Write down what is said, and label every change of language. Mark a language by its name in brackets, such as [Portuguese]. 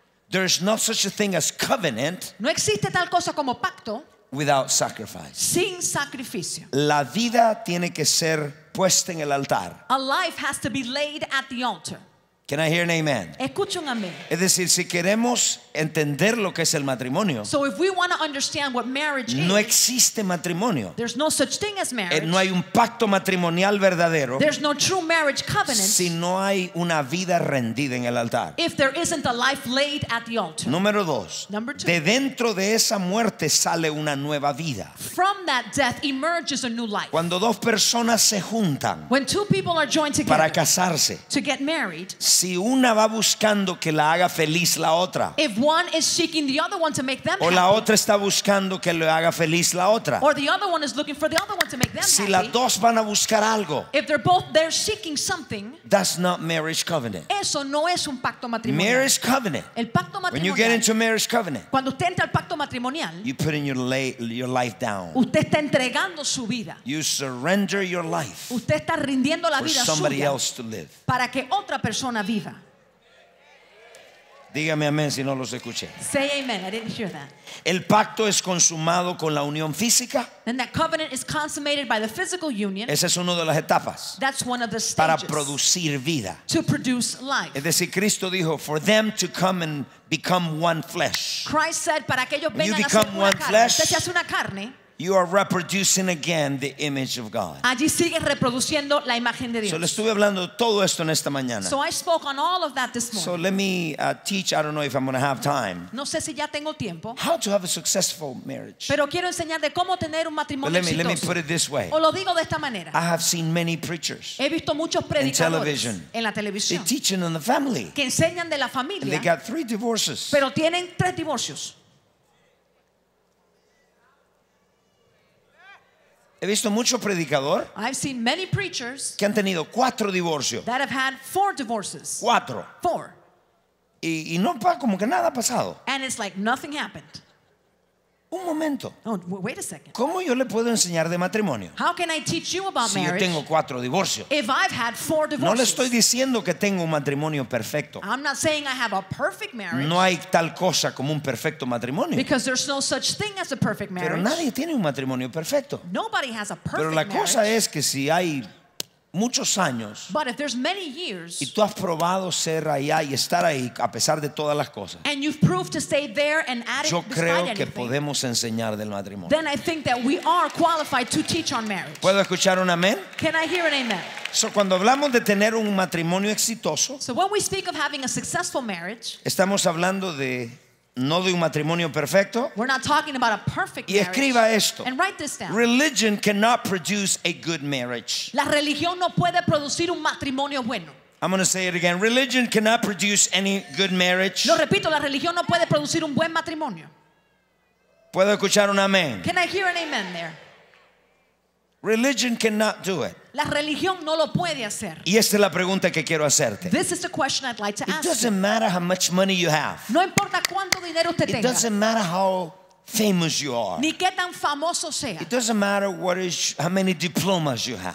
[English] There is no such a thing as covenant. [Spanish] No existe tal cosa como pacto. [English] Without sacrifice. [Spanish] Sin sacrificio. La vida tiene que ser puesta en el altar. [English] A life has to be laid at the altar. Can I hear an amen? [Spanish] Escucho un amén. Es decir, si queremos entender lo que es el matrimonio, [English] so if we want to understand what marriage [Spanish] no existe matrimonio. [English] There's no such thing as marriage. [Spanish] No hay un pacto matrimonial verdadero. [English] There's no true marriage covenant. [Spanish] Si no hay una vida rendida en el altar. [English] If there isn't a life laid at the altar. [Spanish] Número dos. [English] Number two. [Spanish] De dentro de esa muerte sale una nueva vida. [English] From that death emerges a new life. [Spanish] Cuando dos personas se juntan, [English] when two people are joined together, [Spanish] para casarse, [English] to get married, [Spanish] si una va buscando que la haga feliz la otra, [English] if one is seeking the other one to make them [Spanish] o la [English] happy, [Spanish] otra está buscando que le haga feliz la otra, [English] or the other one is looking for the other one to make them [Spanish] si [English] happy, [Spanish] si las dos van a buscar algo, [English] if they're both there seeking something, that's not marriage covenant. [Spanish] Eso no es un pacto matrimonial. [English] Marriage covenant. [Spanish] El pacto matrimonial. [English] When you get into marriage covenant, [Spanish] cuando usted entra al pacto matrimonial, [English] you put in your life down. [Spanish] Usted está entregando su vida. [English] You surrender your life. [Spanish] Usted está rindiendo la vida suya. [English] For somebody else to live. [Spanish] Para que otra persona viva. Dígame amén si no los escuché. [English] Say amen. I didn't hear that. [Spanish] El pacto es consumado con la unión física. [English] And that covenant is consummated by the physical union. [Spanish] Esa es una de las etapas. [English] That's one of the stages. [Spanish] Para producir vida. [English] To produce life. [Spanish] Es decir, Cristo dijo, [English] for them to come and become one flesh. Christ said, [Spanish] para que ellos [English] when [Spanish] vengan [English] you become [Spanish] a ser una [English] one flesh, [Spanish] carne, usted se hace una carne. [English] You are reproducing again the image of God. [Spanish] Allí sigue reproduciendo la imagen de Dios. So le estuve hablando todo esto en esta mañana. [English] So I spoke on all of that this morning. So let me teach. I don't know if I'm going to have time. [Spanish] No sé si ya tengo tiempo. [English] How to have a successful marriage. [Spanish] Pero quiero enseñar de cómo tener un matrimonio exitoso. [English] Let me put it this way. [Spanish] O lo digo de esta manera. [English] I have seen many preachers. [Spanish] He visto muchos predicadores [English] in television. [Spanish] En la televisión. [English] They're teaching on the family. [Spanish] Que enseñan de la familia. [English] And they got three divorces. [Spanish] Pero tienen tres divorcios. He visto mucho predicador [English] I've seen many preachers [Spanish] que han tenido cuatro divorcios. [English] That have had four divorces. [Spanish] Cuatro. [English] Four. [Spanish] Y no, como que nada ha pasado. [English] And it's like nothing happened. [Spanish] Un momento. [English] Oh, wait a second. [Spanish] ¿Cómo yo le puedo enseñar de matrimonio? [English] How can I teach you about [Spanish] si [English] marriage? [Spanish] Si yo tengo cuatro divorcios. [English] If I've had four divorces. [Spanish] No le estoy diciendo que tengo un matrimonio perfecto. [English] I'm not saying I have a perfect marriage. [Spanish] No hay tal cosa como un perfecto matrimonio. [English] Because there's no such thing as a perfect marriage. [Spanish] Pero nadie tiene un matrimonio perfecto. [English] Nobody has a perfect marriage. [Spanish] Pero la cosa [English] marriage. [Spanish] Es que si hay muchos años. [English] But if there's many years. [Spanish] Y tú has probado ser allá y estar ahí a pesar de todas las cosas. [English] And you've proved to stay there and add it. [Spanish] Yo creo que [English] anything, [Spanish] podemos enseñar del matrimonio. [English] Then I think that we are qualified to teach on marriage. [Spanish] ¿Puedo escuchar un amén? [English] Can I hear an amen? [Spanish] So cuando hablamos de tener un matrimonio exitoso. [English] So when we speak of having a successful marriage. [Spanish] Estamos hablando de no de un matrimonio perfecto. [English] We're not talking about a perfect [Spanish] y escriba [English] marriage. [Spanish] Esto. [English] And write this down. Religion cannot produce a good marriage. [Spanish] La religión no puede producir un matrimonio bueno. [English] I'm going to say it again. Religion cannot produce any good marriage. [Spanish] Lo repito, la religión no puede producir un buen matrimonio. ¿Puedo escuchar un amén? [English] Can I hear an amen there? Religion cannot do it. [Spanish] La religión no lo puede hacer. Y esta es la pregunta que quiero hacerte. [English] This is the question I'd like to ask. It doesn't matter how much money you have. [Spanish] No importa cuánto dinero usted tenga. [English] It doesn't matter how famous you are. [Spanish] Ni qué tan famoso sea. [English] It doesn't matter what is how many diplomas you have.